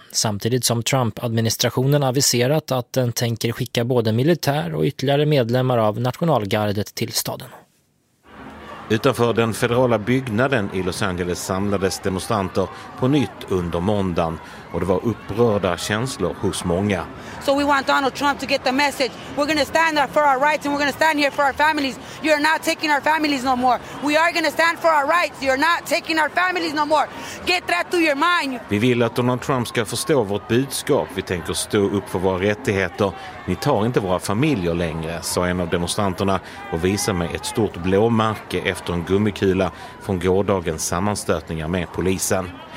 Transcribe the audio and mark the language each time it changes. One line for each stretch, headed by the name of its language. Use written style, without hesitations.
Swedish: Samtidigt som Trump-administrationen aviserat att den tänker skicka både militär och ytterligare medlemmar av nationalgardet till staden. Utanför den federala byggnaden i Los Angeles samlades demonstranter på nytt under måndagen, och det var upprörda känslor hos många.
English: So we want Donald Trump to get the message. We're going to stand up for our rights and we're going to stand here for our families. You're not taking our families no more. We are going to stand for our rights. You're not taking our families no more. Get that to your mind.
Swedish: Vi vill att Donald Trump ska förstå vårt budskap. Vi tänker stå upp för våra rättigheter. Ni tar inte våra familjer längre, sa en av demonstranterna och visade med ett stort blåmärke efter en gummikula från gårdagens sammanstötningar med polisen.